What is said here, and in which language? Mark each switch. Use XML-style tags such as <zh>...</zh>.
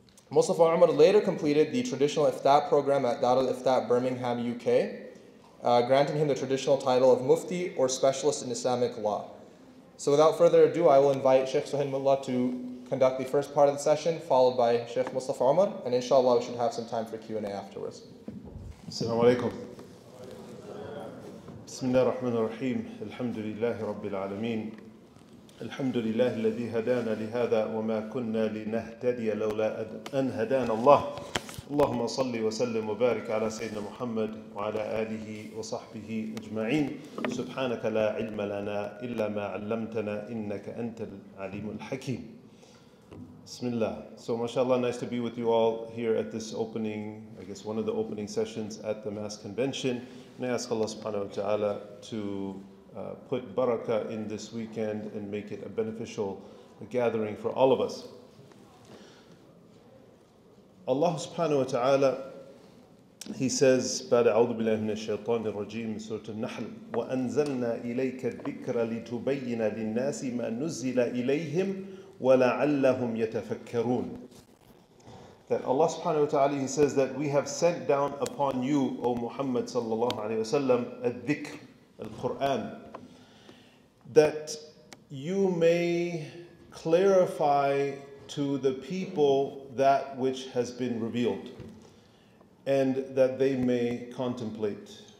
<en>Mustafa Umar later completed the traditional iftah program at Darul Iftah, Birmingham, UK, granting him the traditional title of Mufti or Specialist in Islamic Law. So without further ado, I will invite Sheikh Suhail Mulla to conduct the first part of the session, followed by Sheikh Mustafa Umar, and inshallah we should have some time for Q&A afterwards. Assalamu alaikum.</en> <ar>بسم الله الرحمن الرحيم الحمد لله رب العالمين الحمد لله الذي هدانا لهذا وما كنا لنهتدي لولا أن هدانا الله اللهم صل وسلم وبارك على سيدنا محمد وعلى آله وصحبه أجمعين سبحانك لا علم لنا إلا ما علمتنا إنك أنت العليم الحكيم بسم الله.</ar> <en>So mashallah, nice to be with you all here at this opening, I guess one of the opening sessions at the Mass Convention. And I ask Allah subhanahu wa ta'ala to put barakah in this weekend and make it a beneficial gathering for all of us. Allah subhanahu wa ta'ala, He says,</en> <ar>بعد أعوذ بالله من الشيطان الرجيم من سورة النحل وأنزلنا إليك الذكر لتبين للناس ما نزل إليهم ولعلهم يتفكرون.</ar> <en>That Allah subhanahu wa ta'ala, He says that we have sent down upon you, O Muhammad sallallahu alayhi wa sallam, al-dhikr, al-Qur'an, that you may clarify to the people that which has been revealed, and that they may contemplate.</en>